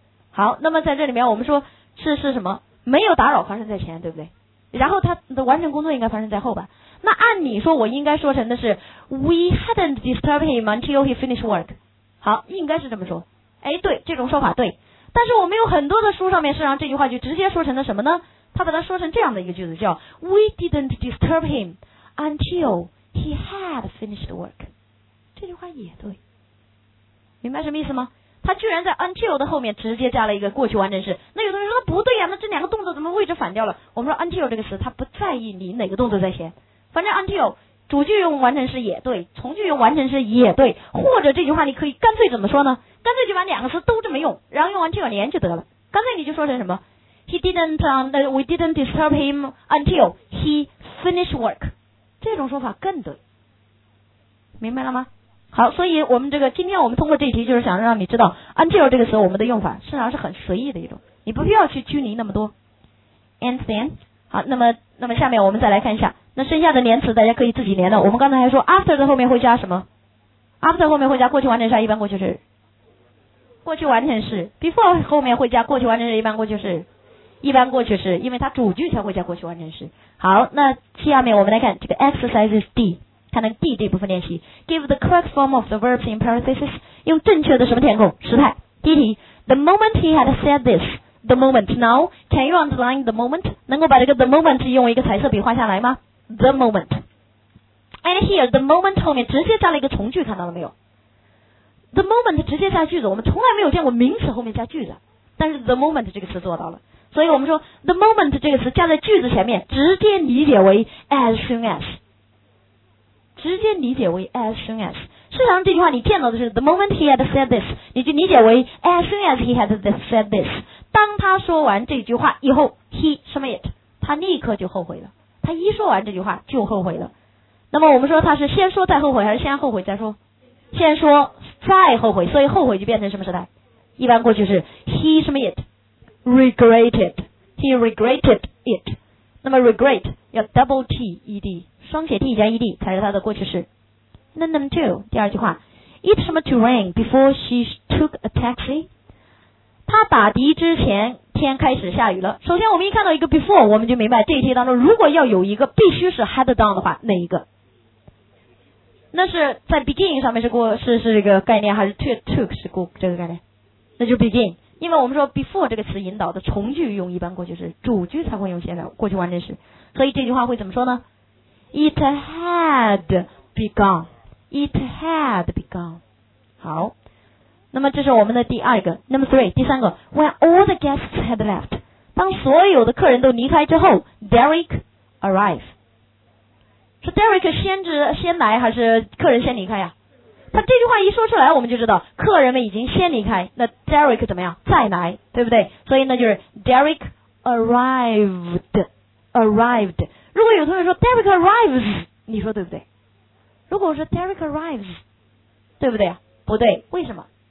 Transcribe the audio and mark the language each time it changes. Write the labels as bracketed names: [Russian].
[Chinese] 好，那么在这里面我们说是什么没有打扰发生在前，对不对？然后他的完成工作应该发生在后吧，那按理说我应该说成的是 [English] We hadn't disturbed him until he finished work， [Chinese] 好，应该是这么说。哎，对，这种说法对，但是我们有很多的书上面，实际上这句话就直接说成了什么呢？他把它说成这样的一个句子，叫 [English] We didn't disturb him until he had finished work。 [Chinese] 这句话也对，明白什么意思吗？他居然在 until 的后面直接加了一个过去完成式。那有的人说不对呀，那这两个动作怎么位置反掉了？我们说 until 这个词他不在意你哪个动作在先，反正 until 主句用完成式也对，从句用完成式也对。或者这句话你可以干脆怎么说呢？干脆就把两个词都这么用，然后用 until 连就得了。干脆你就说成什么 [English] He didn't,、We didn't disturb him until he finished work。 [Chinese] 这种说法更对，明白了吗？好，所以我们这个今天我们通过这一题，就是想让你知道 until 这个时候我们的用法实际上是很随意的一种，你不必要去拘泥那么多。 [English] And then [Chinese] 好，那么下面我们再来看一下，那剩下的连词大家可以自己连的。我们刚才还说 after 的后面会加什么？after 后面会加过去完成式，一般过去式。过去完成式 before 后面会加过去完成式，一般过去式，因为它主句才会加过去完成式。好，那下面我们来看这个 exercises D，看到 D 这部分练习。 [English] Give the correct form of the verbs in parentheses， [Chinese] 用正确的什么填空时态。 [English] 第一题， The moment he had said this， [Chinese] The moment now， [English] Can you underline the moment？ [Chinese] 能够把这个 the moment 用一个彩色笔画下来吗？The moment。 [English] And here [Chinese] the moment 后面直接加了一个从句，看到了没有？The moment 直接加句子，我们从来没有见过名词后面加句子，但是 the moment 这个词做到了。所以我们说 the moment 这个词加在句子前面，直接理解为 as soon as，直接理解为 as soon as。事实上这句话你见到的是 [English] the moment he had said this， [Chinese] 你就理解为 [English] as soon as he had said this， [Chinese] 当他说完这句话以后 he 什么 it， 他立刻就后悔了，他一说完这句话就后悔了。那么我们说他是先说再后悔，还是先后悔再说？先说再后悔，所以后悔就变成什么时态？一般过去是 [English] he 什么 it regretted， he regretted it。 [Chinese] 那么 regret 要 double T-E-D，双写 T 加 ED 才是它的过去式。 [English] Number two， [Chinese] 第二句话， [English] It's time to rain before she took a taxi。 [Chinese] 她打的之前天开始下雨了。首先我们一看到一个 before， 我们就明白这一题当中如果要有一个必须是 had done 的话，哪一个？那是在 begin 上面是过是这个概念，还是 took 是过这个概念？那就 begin， 因为我们说 before 这个词引导的从句用一般过去式，主句才会用现在过去完成式。所以这句话会怎么说呢？ [English] It had begun. It had begun. [Chinese] 好，那么这是我们的第二个。 [English] Number three， [Chinese] 第三个。 [English] When all the guests had left， [Chinese] 当所有的客人都离开之后， [English] Derek arrived。 [Chinese] 是 Derek 先来还是客人先离开呀？他这句话一说出来我们就知道客人们已经先离开，那 Derek 怎么样？再来，对不对？所以那就是 Derek arrived。如果有同学说 [English] Derek arrives， [Chinese] 你说对不对？如果我说 Derek arrives， 对不对？不对，为什么？